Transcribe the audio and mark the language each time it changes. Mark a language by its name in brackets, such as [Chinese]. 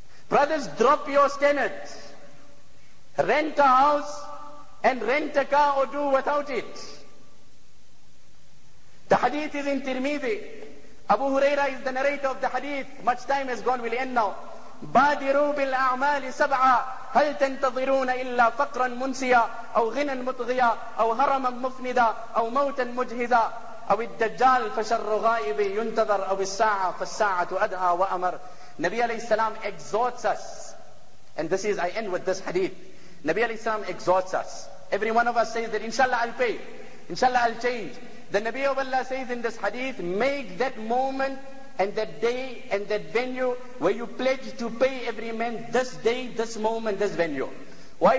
[English] Brothers, drop your standards. Rent a house and rent a car or do without it. The hadith is in Tirmidhi. Abu Huraira is the narrator of the hadith. Much time has gone, we'll end now. [Arabic] بادروا بالأعمال سبعة هل تنتظرون إلا فقرا منسيا أو غنا متغيا أو هرما مفندا أو موتا مجهدا أو الدجال فشر غائب ينتظر أو الساعة فالساعة أدعى وأمر. [English] نبي عليه السلام exhorts us, and this is, I end with this hadith. نبي عليه السلام exhorts us, every one of us says that inshallah I'll pay, inshallah I'll change. The Nabi of Allah says in this hadith, make that moment and that day and that venue where you pledge to pay every man, this day, this moment, this venue. Why?